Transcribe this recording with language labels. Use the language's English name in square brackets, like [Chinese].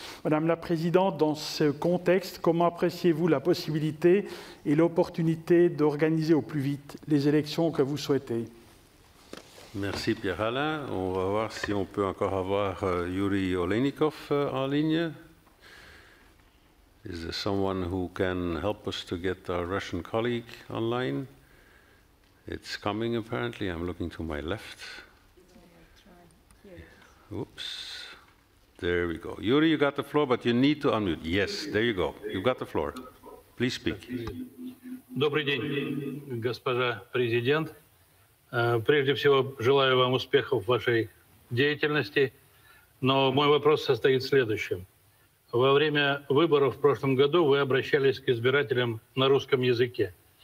[French] Madame la Présidente, dans ce contexte, comment appréciez-vous la possibilité et l'opportunité d'organiser au plus vite les élections que vous souhaitez? Merci Pierre-Alain. On va voir si on peut encore avoir Yuri Olenikov en ligne. [English] Is there someone who can help us to get our Russian colleague online? It's coming, apparently. I'm looking to my left. Oops. There we go. Yuri, you got the floor, but you need to unmute. Yes, there you go. You've got the floor. Please speak. [Russian] Добрый день, госпожа президент. Прежде всего, желаю вам успехов в вашей деятельности. Но мой вопрос состоит в следующем. Во время выборов в прошлом году вы обращались к избирателям на русском языке.